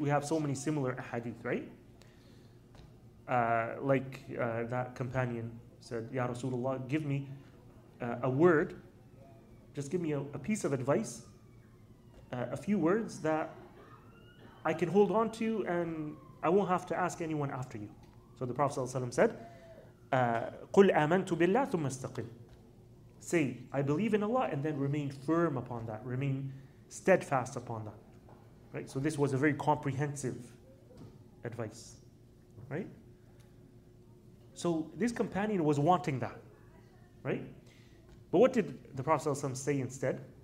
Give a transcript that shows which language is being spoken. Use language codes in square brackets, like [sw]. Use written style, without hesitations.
[en] We have so many similar hadith, right? That companion said, Ya Rasulullah, give me a word, just give me a piece of advice, a few words that I can hold on to and I won't have to ask anyone after you. So the Prophet ﷺ said, [ar] قُلْ آمَنْتُ بِاللَّهِ ثُمَّ اسْتَقِمْ. [en] Say, I believe in Allah, and then remain firm upon that, remain steadfast upon that. Right? So this was a very comprehensive advice. Right? So this companion was wanting that. Right? But what did the Prophet ﷺ say instead?